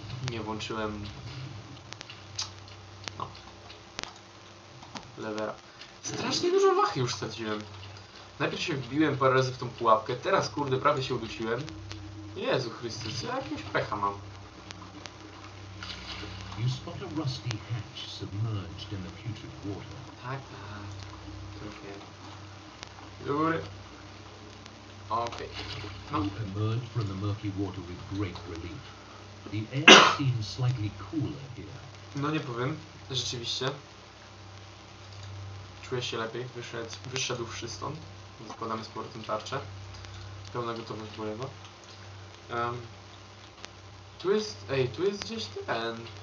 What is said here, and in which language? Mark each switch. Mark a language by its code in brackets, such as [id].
[pl] Nie włączyłem... No. Levera. Strasznie dużo wachy już straciłem. Najpierw się wbiłem parę razy w tą pułapkę, teraz kurde prawie się udusiłem. Jezu Chrystus, ja jakiegoś pecha mam. [en] You spot a rusty hatch submerged in the putrid water. [pl] Tak, tak. Okay. Dobry. Okej. Okay. No. [en] Emerged from the murky water with great relief. The air seems slightly cooler here. [pl] No nie powiem, rzeczywiście. Czuję się lepiej, wyszedłszy stąd. Zakładamy z powrotem tarczę. Pełna gotowość bojowa. Tu jest... Ej, tu jest gdzieś ten...